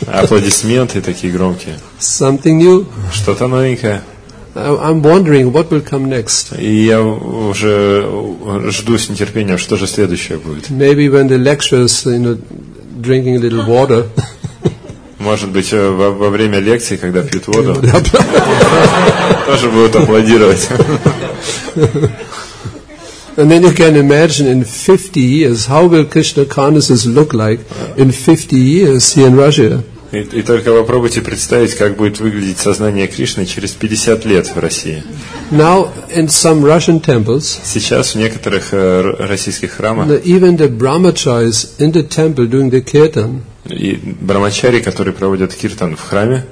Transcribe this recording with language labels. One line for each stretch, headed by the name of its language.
Russian: Аплодисменты такие громкие.
English: Something new.
Russian: Что-то новенькое.
English: I'm wondering what will come next.
Russian: И я уже жду с нетерпением, что же следующее будет.
English: Maybe when the lecturers, you know, drinking a little water.
Russian: Может быть, во время лекции, когда пьют воду, тоже будут аплодировать.
English: And then you can imagine in 50 years how will Krishna consciousness look like in 50 years here in Russia.
Russian: И только попробуйте представить, как будет выглядеть сознание Кришны через 50 лет в России.
English: Now in some Russian temples.
Russian: Сейчас в некоторых российских храмах.
English: Even the brahmacharis in the temple doing the kirtan.
Russian: И брамачари, которые проводят киртан в храме.